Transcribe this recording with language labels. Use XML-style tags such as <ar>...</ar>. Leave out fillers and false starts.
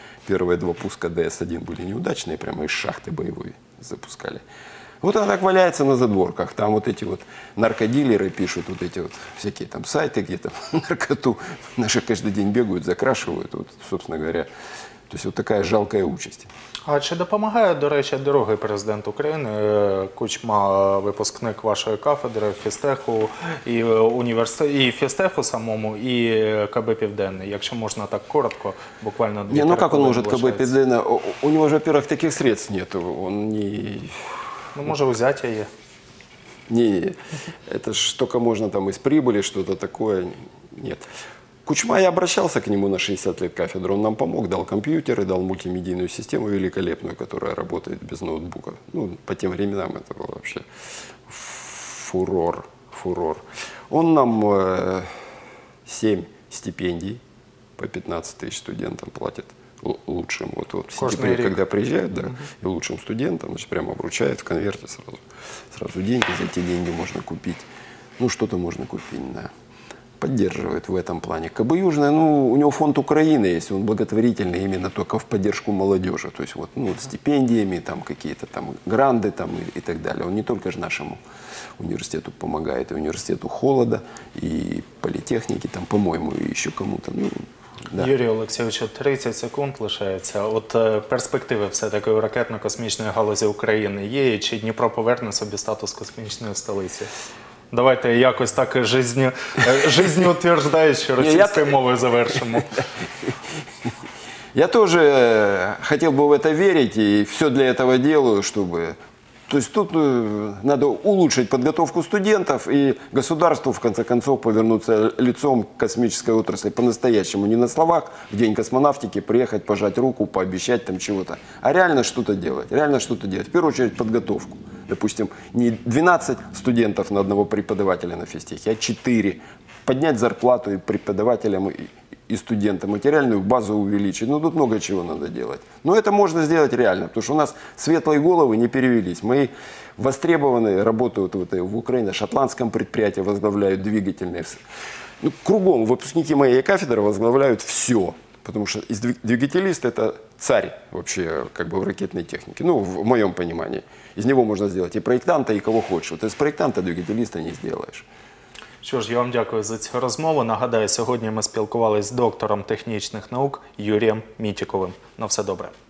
<ru>Первые два пуска ДС-1 были неудачные, прямо из шахты боевые запускали. Вот она так валяется на задворках. Там вот эти вот наркодилеры пишут, вот эти вот всякие там сайты, где там наркоту наши каждый день бегают, закрашивают. Вот, собственно говоря, то есть вот такая жалкая участь.</ru> <uk>А чи допомагає, до речі, дорогий президент України Кучма, випускник вашої кафедри фізтеху і університету, і фізтеху самому, і КБ Південне, якщо можна так коротко, буквально дві. Ні, ну як він може КБ Південне? У нього ж,</uk> <ru>во-первых, таких средств нету. Он не...</ru> <uk>Ну, може, взяття є. Ні, це ж тільки можна там із прибулі щось таке. Ні.</uk> <ru>Кучма, я обращался к нему на 60 лет кафедры, он нам помог, дал компьютеры, дал мультимедийную систему великолепную, которая работает без ноутбука. Ну, по тем временам это было вообще фурор, фурор. Он нам 7 стипендий по 15 тысяч студентам платит лучшим. Вот стипендии, когда приезжают, да, и лучшим студентам, значит, прямо вручают в конверте сразу. Сразу деньги, за эти деньги можно купить. Ну, что-то можно купить, да. Поддерживает в этом плане. КБ Южное, ну, у него фонд Украины есть, он благотворительный именно только в поддержку молодежи. То есть вот, ну, стипендиями, там, какие-то там гранды там и так далее. Он не только же нашему университету помогает, и университету холода, и политехники, там, по-моему, и еще кому-то, ну, да.</ru> <uk>Юрій Олексійович, 30 секунд лишається. От перспективи все-таки у ракетно-космічної галузі України є, і чи Дніпро поверне собі статус космічної столиці? Давайте якось так</uk> <ru>жизнеутверждающе</ru> <uk>російською мовою завершимо. Я теж хотів би в це вірити і все для цього роблю, щоб... Тобто тут треба улучшити підготовку студентів і</uk> <ru>государству,</ru> <uk>в кінці кінців, повернутися лицом до космічної отраслі</uk> <ru>по-настоящему.</ru> <uk>Не на словах, в день космонавтики приїхати, пожати руку, пообіцяти там чого-то, а реально щось робити. Реально щось робити. В першу чергу підготовку.</uk> <ru>Допустим, не 12 студентов на одного преподавателя на физтехе, а 4. Поднять зарплату и преподавателям, и студентам. Материальную базу увеличить. Ну, тут много чего надо делать. Но это можно сделать реально, потому что у нас светлые головы не перевелись. Мои востребованные работают в Украине, в шотландском предприятии возглавляют двигательные. Ну, кругом выпускники моей кафедры возглавляют все. Потому что двигателист – это царь вообще как бы в ракетной технике. Ну, в моем понимании. Из него можно сделать и проектанта, и кого хочешь. Вот из проектанта двигателиста не сделаешь.</ru> <uk>Що ж, я вам дякую за цю розмову. Нагадаю, сьогодні ми спілкувалися з доктором технічних наук Юрієм Мітіковим. На все добре.</uk>